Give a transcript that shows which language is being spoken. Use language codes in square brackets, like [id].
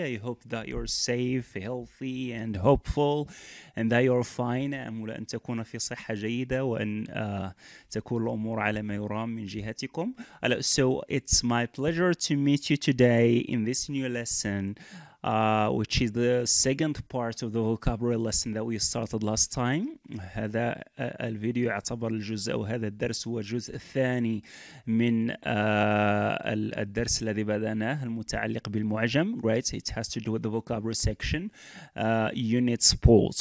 [en] I hope that you're safe, healthy and hopeful and that you're fine. [ar] أمل أن تكون في صحة جيدة وأن تكون الأمور على ما يرام من جهتكم. [en] So it's my pleasure to meet you today in this new lesson, which is the second part of the vocabulary lesson that we started last time. [ar] هذا الفيديو يعتبر الجزء أو هذا الدرس هو الجزء الثاني من الدرس الذي بدأناه المتعلق بالمعجم. [en] Right, it has to do with the vocabulary section, unit sports.